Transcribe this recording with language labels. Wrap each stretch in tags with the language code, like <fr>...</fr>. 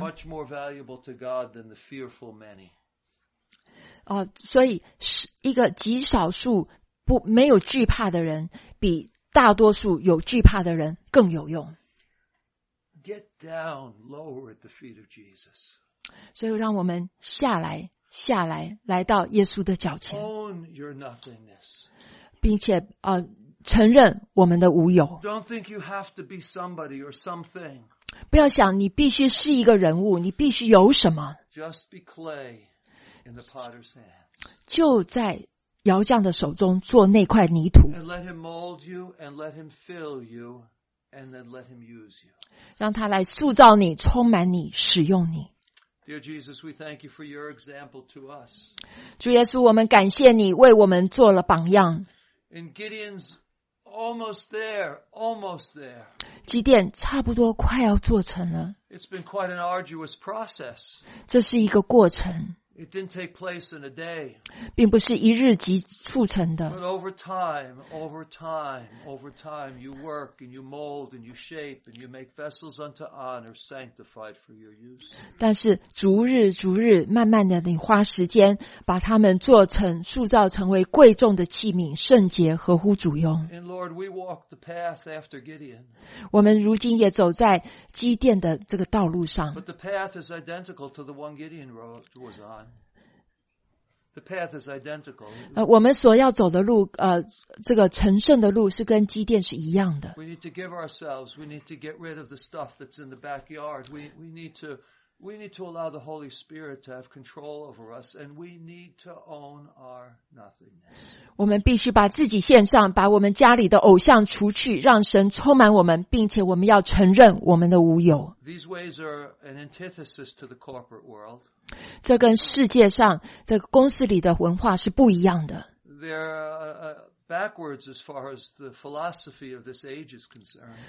<en>Much more valuable to God than the fearful many.</en> <zh>所以一个极少数不没有惧怕的人比大多数有惧怕的人更有用。</zh> <en>Get down, lower at the feet of Jesus.</en> <zh>所以让我们下来下来来到耶稣的脚前。</zh> <en>Own your nothingness.</en> <zh>并且承认我们的无有。</zh> <en>Don't think you have to be somebody or something.</en> <zh>不要想你必须是一个人物你必须有什么。</zh> <en>Just be clay. In the potter's hands.</en> <zh>就在窑匠的手中做那块泥土。</zh> <en>And let him mold you, and let him fill you, and then let him use you.</en> <zh>让他来塑造你，充满你，使用你。</zh> <en>Dear Jesus, we thank you for your example to us.</en> <zh>主耶稣，我们感谢你为我们做了榜样。</zh> <en>And Gideon's almost there, almost there.</en> <zh>基甸差不多快要做成了。</zh> <en>It's been quite an arduous process.</en> <zh>这是一个过程。</zh> <en>It didn't take place in a day.</en> <zh>并不是一日即促成的。</zh> <en>But over time, over time, over time, you work and you mold and you shape and you make vessels unto honor sanctified for your use.</en> <zh>但是逐日逐日慢慢的你花时间把它们做成塑造成为贵重的器皿圣洁合乎主用。</zh> <en>And Lord, we walk the path after Gideon.</en> <zh>我们如今也走在基甸的这个道路上。</zh> <en>But the path is identical to the one Gideon was on. The path is identical.</en> <zh>我们所要走的路，这个成圣的路是跟基甸是一样的。</zh> <en>We need to give ourselves. We need to get rid of the stuff that's in the backyard. We need to allow the Holy Spirit to have control over us, and we need to own our nothingness.</en> <zh>我们必须把自己献上，把我们家里的偶像除去，让神充满我们，并且我们要承认我们的无有。</zh> <en>These ways are an antithesis to the corporate world.</en> <zh>这跟世界上这个公司里的文化是不一样的。</zh> <en>They're backwards as far as the philosophy of this age is concerned.</en>